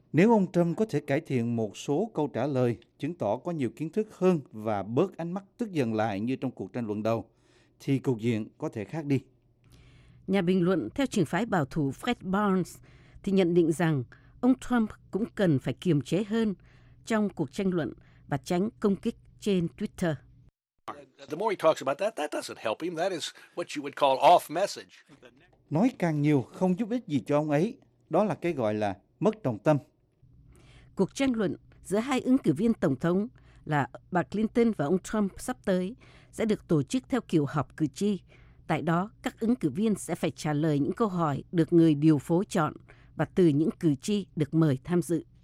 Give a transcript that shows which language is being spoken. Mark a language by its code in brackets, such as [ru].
[vi] Nếu ông Trump có thể cải thiện một số câu trả lời, chứng tỏ có nhiều kiến thức hơn và bớt ánh mắt tức giận lại như trong cuộc tranh luận đầu, thì cục diện có thể khác đi. Nhà bình luận theo trường phái bảo thủ Fred Barnes thì nhận định rằng ông Trump cũng cần phải kiềm chế hơn trong cuộc tranh luận và tránh công kích trên Twitter. [en] The more he talks about that, that doesn't help him. That is what you would call off message. [vi] Nói càng nhiều không giúp ích gì cho ông ấy. Đó là cái gọi là mất trọng tâm. Cuộc tranh luận giữa hai ứng cử viên tổng thống là bà Clinton và ông Trump sắp tới sẽ được tổ chức theo kiểu họp cử tri. Tại đó, các ứng cử viên sẽ phải trả lời những câu hỏi được người điều phối chọn và từ những cử tri được mời tham dự.